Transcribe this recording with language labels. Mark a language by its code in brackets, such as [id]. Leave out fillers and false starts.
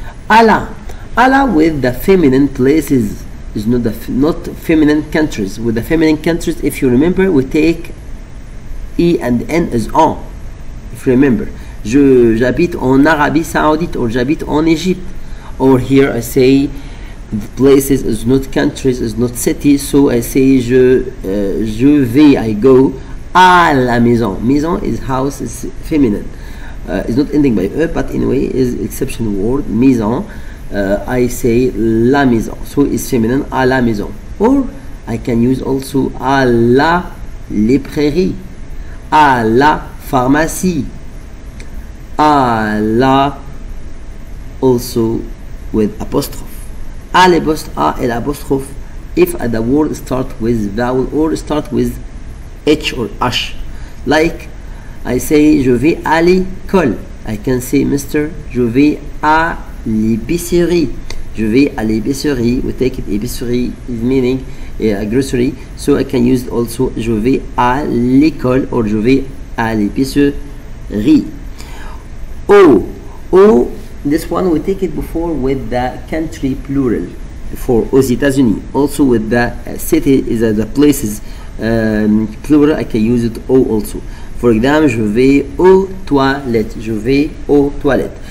[en] Ala with the feminine places is not the not feminine countries. With the feminine countries, if you remember, we take E and N as on. If you remember, [fr] j'habite en Arabie Saoudite or j'habite en Egypte. [en] Or here I say the places is not countries, is not cities. So I say [fr] je vais, [en] I go à la maison. Maison is house, is feminine. It's not ending by E, but anyway, is exception word, maison. I say la maison, so it's feminine, à la maison. Or I can use also [fr] à la librairie, à la pharmacie, [en] à la, also with apostrophe, à l'apostrophe, if the word start with vowel or start with H or H. Like, I say, [fr] je vais à l'école. [en] I can say, Mr., [fr] je vais à l'épicerie. Je vais à l'épicerie. [en] We take it, épicerie is meaning a grocery. So I can use also, [fr] je vais à l'école [en] or [fr] je vais à l'épicerie. [en] O, this one we take it before with the country plural. For aux États-Unis, also with the city is the places plural. I can use it au also. For example, [fr] je vais aux toilettes. Je vais aux toilettes.